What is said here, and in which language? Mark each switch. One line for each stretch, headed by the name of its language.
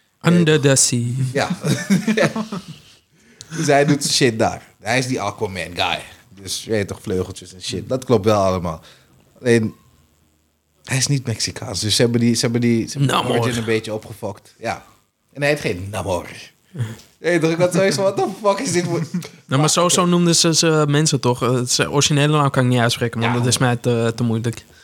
English: Under the sea.
Dutch: Ja. Dus hij doet shit daar. Hij is die Aquaman guy. Dus je weet toch, vleugeltjes en shit. Dat klopt wel allemaal. Alleen... Hij is niet Mexicaans, dus ze hebben origin een beetje opgefokt. Ja. En hij heet geen Namor. Nee, ik had sowieso,
English: what the fuck is
Dutch: dit? Nou, maar sowieso noemden ze mensen toch? Zijn originele naam kan ik niet uitspreken, maar ja, dat is mij te moeilijk.